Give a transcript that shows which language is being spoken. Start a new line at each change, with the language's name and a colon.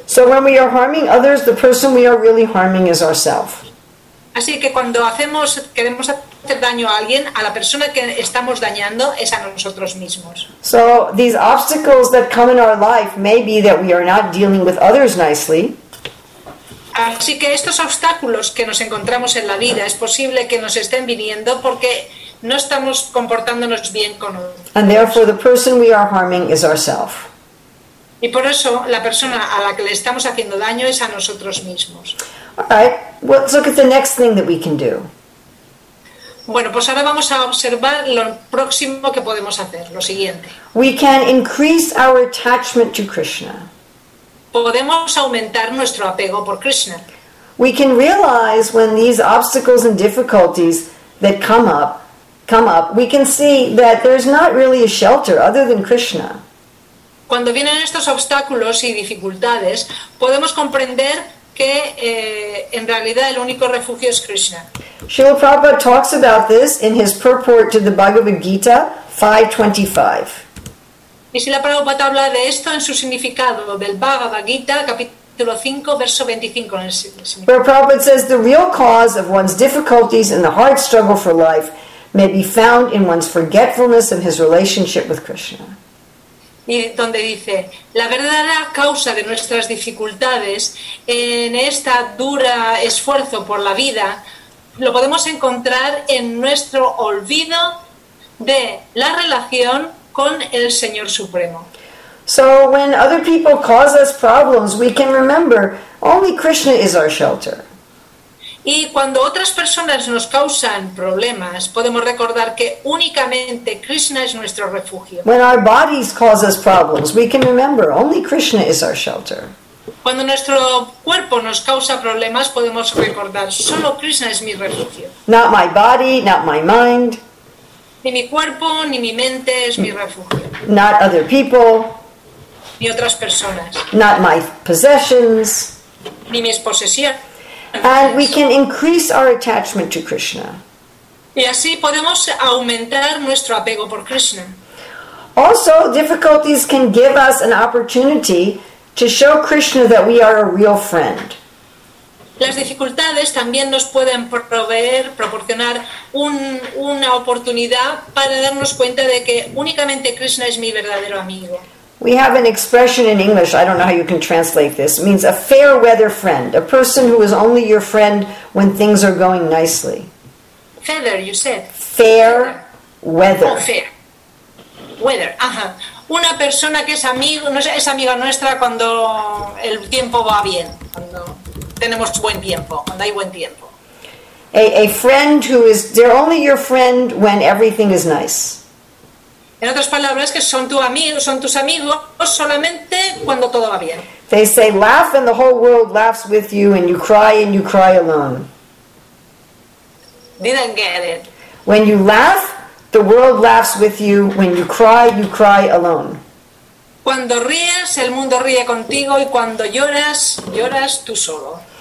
English: So when we are harming others, the person we are really harming is ourselves.
Spanish: Así que cuando queremos hacer daño a alguien, a la persona que estamos dañando es a nosotros mismos.
English: So these obstacles that come in our life may be that we are not dealing with others nicely.
Spanish: Así que estos obstáculos que nos encontramos en la vida es posible que nos estén viniendo porque no estamos comportándonos bien con otros.
English: And therefore the person we are harming is ourselves. Y por eso la persona a la que le estamos haciendo daño es a nosotros mismos. All right. Well, let's look at the next thing that we can do.
Spanish: Bueno, pues ahora vamos a observar lo próximo que podemos hacer, lo siguiente.
English: We can increase our attachment to Krishna.
Spanish: Podemos aumentar nuestro apego por Krishna.
English: We can realize when these obstacles and difficulties that come up, we can see that there's not really a shelter other than Krishna.
Spanish: Cuando vienen estos obstáculos y dificultades, podemos comprender que en realidad el único refugio es Krishna.
English: Srila Prabhupada talks about this in his purport to the Bhagavad Gita 5:25.
Spanish: Y si la Prabhupada habla de esto en su significado del Bhagavad Gita, capítulo 5, verso 25.
English: Where Prabhupada says, the real cause of one's difficulties and the hard struggle for life may be found in one's forgetfulness of his relationship with Krishna.
Spanish: Y donde dice, la verdadera causa de nuestras dificultades en esta dura esfuerzo por la vida lo podemos encontrar en nuestro olvido de la relación con el Señor Supremo.
English: So when other people cause us problems, we can remember only Krishna is our shelter.
Spanish: Y cuando otras personas nos causan problemas, podemos recordar que únicamente Krishna es nuestro refugio.
English: When our bodies cause us problems, we can remember only Krishna is our shelter.
Spanish: Cuando nuestro cuerpo nos causa problemas, podemos recordar solo Krishna es mi refugio.
English: Not my body, not my mind.
Spanish: Ni mi cuerpo ni mi mente es mi refugio.
English: Not other people.
Spanish: Ni otras personas.
English: Not my possessions.
Spanish: Ni mis posesiones.
English: And we can increase our attachment to Krishna.
Spanish: Y así podemos aumentar nuestro apego por Krishna.
English: Also, difficulties can give us an opportunity to show Krishna that we are a real friend.
Spanish: Las dificultades también nos pueden proporcionar una oportunidad para darnos cuenta de que únicamente Krishna es mi verdadero amigo.
English: We have an expression in English, I don't know how you can translate this, it means a fair weather friend, a person who is only your friend when things are going nicely. Feather, you said. Fair weather. Oh, fair. Weather, ajá.
Spanish: Una persona que es amiga nuestra cuando el tiempo va bien, cuando tenemos buen tiempo, cuando hay buen tiempo.
English: A friend who is, they're only your friend when everything is nice.
Spanish: En otras palabras, que son tus amigos solamente cuando todo va bien.
English: They say, laugh and the whole world laughs with you, and you cry alone. Didn't get it. When you laugh, the world laughs with you. When you cry alone.
Spanish: Cuando ríes, el mundo ríe contigo, y cuando lloras, lloras tú solo.